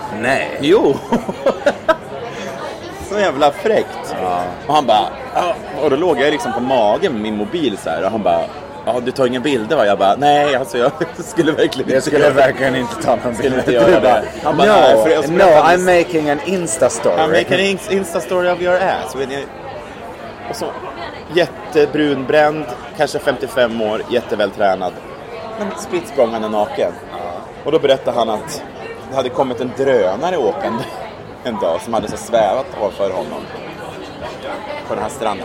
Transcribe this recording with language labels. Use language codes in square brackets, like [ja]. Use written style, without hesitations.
[sv] Nej. Jo. Så jävla fräckt. Och han bara, och då låg jag liksom på magen med min mobil så här, och han bara, ja, du tar ingen bild va? Jag bara, nej, alltså jag skulle verkligen inte. Jag skulle verkligen inte ta någon bild. Inte göra det. Bara, han bara, [en] no, I'm making an Insta-story. I'm making an Insta-story of your ass. [sv] Och så, jättebrunbränd, kanske 55 år, jättevältränad. Men spritsprångande naken. Och då berättade han att det hade kommit en drönare åkande en dag som hade så svävat för honom. På den här stranden.